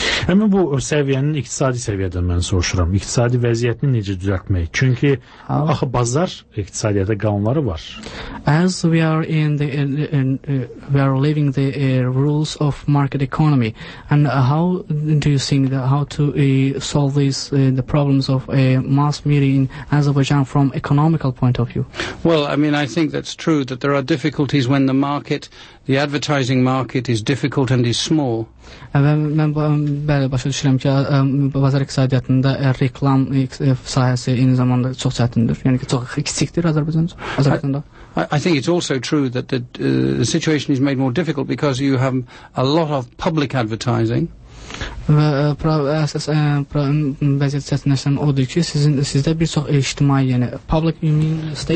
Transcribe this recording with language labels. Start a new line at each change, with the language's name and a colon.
Azerbaijani: Həmin bu səviyyənin iqtisadi səviyyədən mən soruşuram. İqtisadi vəziyyətini necə düzəltmək? Çünki axı bazar iqtisadiyyatı qanunları var.
English: As we are in the we are living the rules of market economy and how do you think that how to solve these the problems of mass media in Azerbaijan from economical point of view? Well, I mean I think that's true that there are difficulties when the market The advertising market is difficult and is small.
Azerbaijani: Mən bəli başa düşürəm ki, bazar iqtisadiyyatında reklam sahəsi eyni zamanda çox çətindir. Yəni ki, çox kiçikdir Azərbaycanda.
English: I think it's also true that the situation is made more difficult because you have a lot of public advertising.
Azerbaijani: Vəziyyət çətinləşən odur ki, sizdə bir çox ictimai, yəni
English: public, you mean state?